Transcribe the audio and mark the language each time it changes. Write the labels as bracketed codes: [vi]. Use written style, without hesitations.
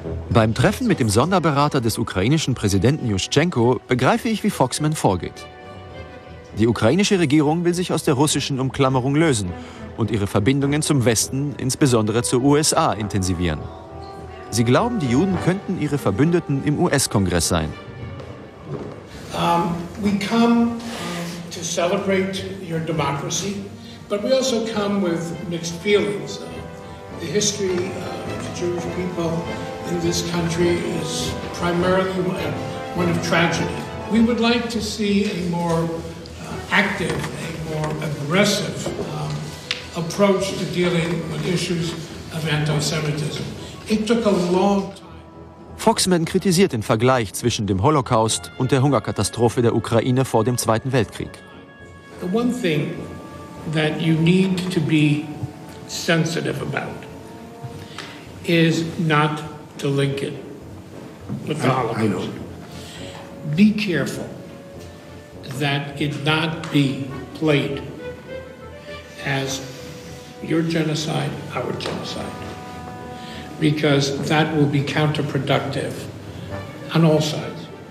[de] Beim Treffen mit dem Sonderberater des ukrainischen Präsidenten Juschtschenko begreife ich, wie Foxman vorgeht. Die ukrainische Regierung will sich aus der russischen Umklammerung lösen und ihre Verbindungen zum Westen, insbesondere zur USA, intensivieren. Sie glauben, die Juden könnten ihre Verbündeten im US-Kongress sein. [en] We come to celebrate your democracy, but we also come with mixed feelings. The history of the Jewish people in this country is primarily one of tragedy. We would like to see a more active, a more aggressive approach to dealing with issues of anti-Semitism. It took a long time. [de] Foxman kritisiert den Vergleich zwischen dem Holocaust und der Hungerkatastrophe der Ukraine vor dem Zweiten Weltkrieg. [en] The one thing that you need to be sensitive about is not to link it with the Holocaust. Be careful that it not be played as your genocide, our genocide, because that will be counterproductive on all sides.